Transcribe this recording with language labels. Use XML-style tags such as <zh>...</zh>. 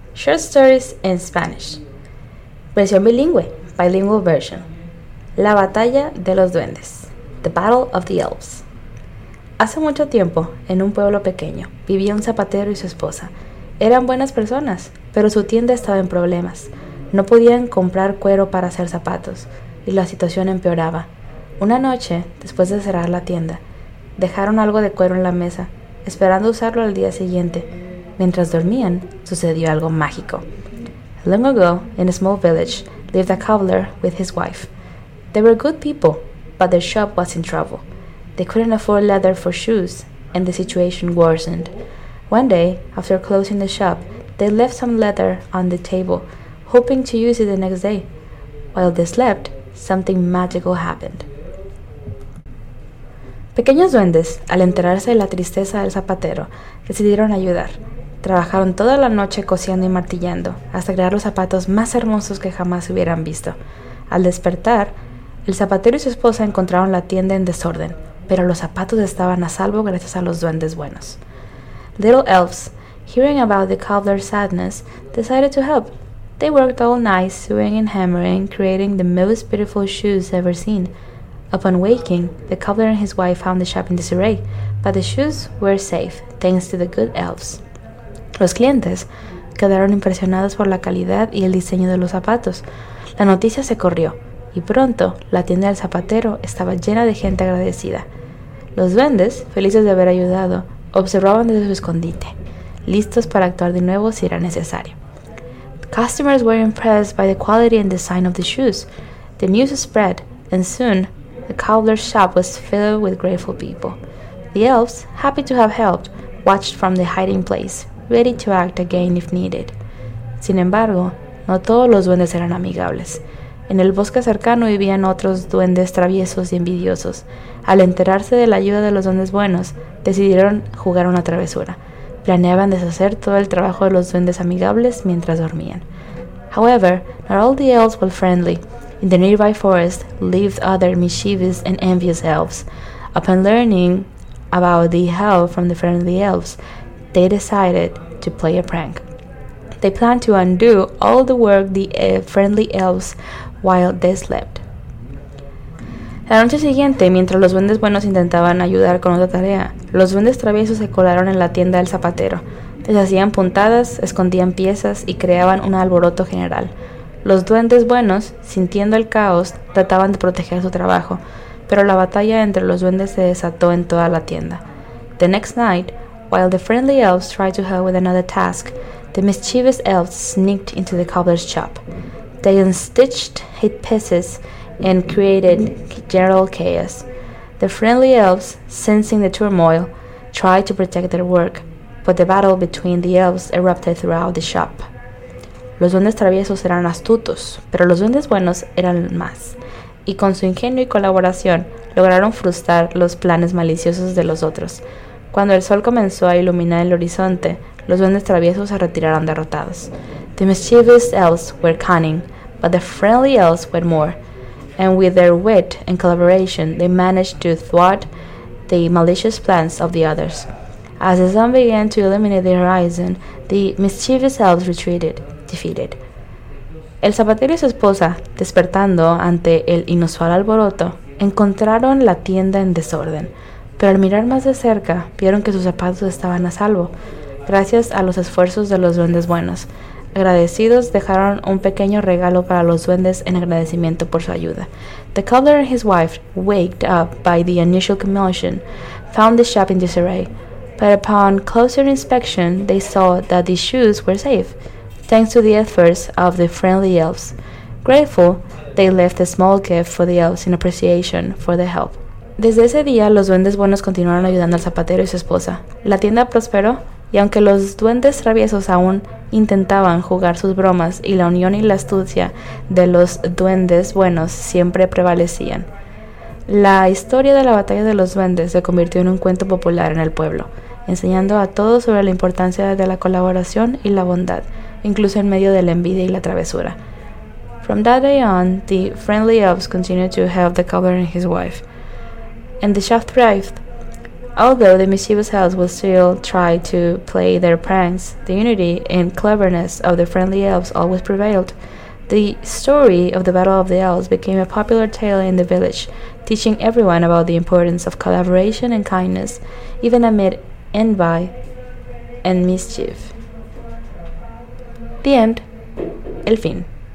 <en>Short stories in Spanish.</en> <es>Versión bilingüe.</es> <en>Bilingual version.</en> <es>La batalla de los duendes.</es> <en>The Battle of the Elves.</en> <es>Hace mucho tiempo, en un pueblo pequeño, vivía un zapatero y su esposa. Eran buenas personas, pero su tienda estaba en problemas. No podían comprar cuero para hacer zapatos, y la situación empeoraba. Una noche, después de cerrar la tienda, dejaron algo de cuero en la mesa, esperando usarlo al día siguiente. Mientras dormían, sucedió algo mágico.</es> <en>Long ago, in a small village, lived a cobbler with his wife. They were good people, but their shop was in trouble. They couldn't afford leather for shoes, and the situation worsened. One day, after closing the shop, they left some leather on the table, hoping to use it the next day. While they slept, something magical happened.</en> <es>Pequeños duendes, al enterarse de la tristeza del zapatero, decidieron ayudar. Trabajaron toda la noche cosiendo y martillando, hasta crear los zapatos más hermosos que jamás hubieran visto. Al despertar, el zapatero y su esposa encontraron la tienda en desorden, pero los zapatos estaban a salvo gracias a los duendes buenos.</es> <en>Little elves, hearing about the cobbler's sadness, decided to help. They worked all night, sewing and hammering, creating the most beautiful shoes ever seen. Upon waking, the cobbler and his wife found the shop in disarray, but the shoes were safe, thanks to the good elves.</en> <es>Los clientes quedaron impresionados por la calidad y el diseño de los zapatos. La noticia se corrió, y pronto la tienda del zapatero estaba llena de gente agradecida. Los duendes, felices de haber ayudado, observaban desde su escondite, listos para actuar de nuevo si era necesario.</es> <en>Customers were impressed by the quality and design of the shoes. The news spread, and soon the cobbler's shop was filled with grateful people. The elves, happy to have helped, watched from the hiding place, ready to act again if needed.</en> <es>Sin embargo, no todos los duendes eran amigables. En el bosque cercano vivían otros duendes traviesos y envidiosos. Al enterarse de la ayuda de los duendes buenos, decidieron jugar una travesura. Planeaban deshacer todo el trabajo de los duendes amigables mientras dormían.</es> <en>However, not all the elves were friendly. In the nearby forest lived other mischievous and envious elves. Upon learning about the help from the friendly elves, they decided to play a prank. They planned to undo all the work the friendly elves while they slept.</en> <es>La noche siguiente, mientras los duendes buenos intentaban ayudar con otra tarea, los duendes traviesos se colaron en la tienda del zapatero. Les hacían puntadas, escondían piezas y creaban un alboroto general. Los duendes buenos, sintiendo el caos, trataban de proteger su trabajo, pero la batalla entre los duendes se desató en toda la tienda.</es> <en>The next night, while the friendly elves tried to help with another task, the mischievous elves sneaked into the cobbler's shop. They unstitched his pieces and created general chaos. The friendly elves, sensing the turmoil, tried to protect their work, but the battle between the elves erupted throughout the shop.</en> <es>Los duendes traviesos eran astutos, pero los duendes buenos eran más, y con su ingenio y colaboración lograron frustrar los planes maliciosos de los otros. Cuando el sol comenzó a iluminar el horizonte, los duendes traviesos se retiraron derrotados.</es> <en>The mischievous elves were cunning, but the friendly elves were more, and with their wit and collaboration, they managed to thwart the malicious plans of the others. As the sun began to illuminate the horizon, the mischievous elves retreated, defeated.</en> <es>El zapatero y su esposa, despertando ante el inusual alboroto, encontraron la tienda en desorden, pero al mirar más de cerca, vieron que sus zapatos estaban a salvo, gracias a los esfuerzos de los duendes buenos. Agradecidos, dejaron un pequeño regalo para los duendes en agradecimiento por su ayuda.</es> <en>The cobbler and his wife, waked up by the unusual commotion, found the shop in disarray. But upon closer inspection, they saw that the shoes were safe, thanks to the efforts of the friendly elves. Grateful, they left a small gift for the elves in appreciation for their help.</en> <es>Desde ese día, los duendes buenos continuaron ayudando al zapatero y su esposa. La tienda prosperó, y aunque los duendes traviesos aún intentaban jugar sus bromas, y la unión y la astucia de los duendes buenos siempre prevalecían, la historia de la batalla de los duendes se convirtió en un cuento popular en el pueblo, enseñando a todos sobre la importancia de la colaboración y la bondad, incluso en medio de la envidia y la travesura.</es> <en>From that day on, the friendly elves continued to help the cobbler and his wife, and the shop thrived. Although the mischievous elves would still try to play their pranks, the unity and cleverness of the friendly elves always prevailed. The story of the Battle of the Elves became a popular tale in the village, teaching everyone about the importance of collaboration and kindness, even amid envy and mischief. The end.</en> <es>El fin.</es>